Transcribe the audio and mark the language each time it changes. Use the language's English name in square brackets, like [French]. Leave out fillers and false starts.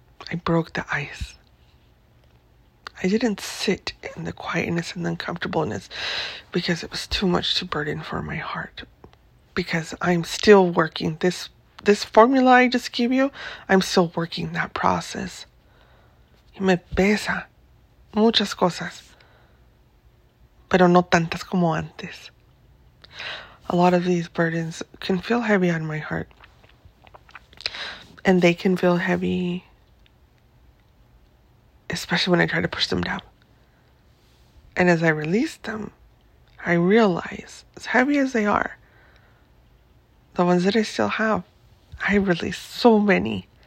[English] I broke the ice. I didn't sit in the quietness and the uncomfortableness because it was too much to burden for my heart. Because I'm still working this formula I just gave you, I'm still working that process. [Spanish] Y me pesa muchas cosas, pero no tantas como antes. [English] A lot of these burdens can feel heavy on my heart. And they can feel heavy, especially when I try to push them down. And as I release them, I realize, as heavy as they are, the ones that I still have, I release so many.